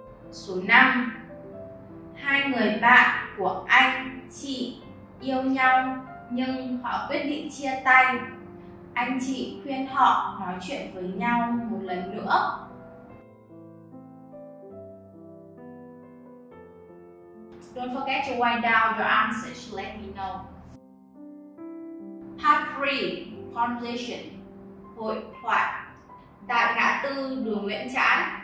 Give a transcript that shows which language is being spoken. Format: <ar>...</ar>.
<vi>Số 5. hai người bạn của anh chị yêu nhau nhưng họ quyết định chia tay. Anh chị khuyên họ nói chuyện với nhau một lần nữa.</vi> <en>Don't forget to write down your answers to let me know. Part 3, conversation,</en> <vi>hội thoại. Tại ngã tư đường Nguyễn Trãi.</vi>